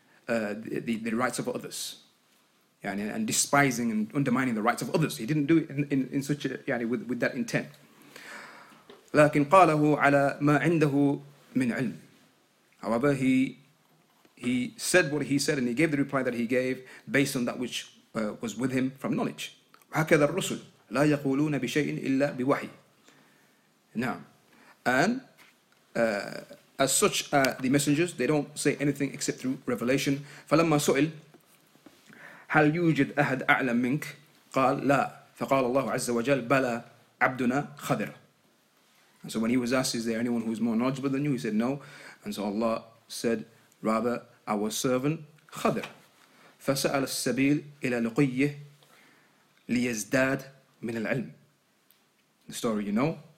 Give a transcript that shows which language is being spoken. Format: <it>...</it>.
<en>the rights of others, and despising and undermining the rights of others. He didn't do it in such a, with that intent.</en> <ar>لكن قاله على ما عنده من علم.</ar> <en>However, he said what he said, and he gave the reply that he gave based on that which was with him from knowledge.</en> <ar>وهكذا الرسل لا يقولون بشيء إلا بوحي.</ar> <en>Now, and as such, the messengers, they don't say anything except through revelation.</en> <ar>فلما سئل هل يوجد أحد أعلم منك؟ قال لا. فقال الله عز وجل بلى عبدنا خضر.</ar> <en>And so when he was asked, is there anyone who is more knowledgeable than you? He said, no. And so Allah said, rather, our servant, Khadr.</en> <ar>فَسَأَلَ السَّبِيلِ إِلَى لُقِيِّهِ لِيَزْدَادْ مِنَ الْعِلْمِ.</ar> <en>The story, you know.</en>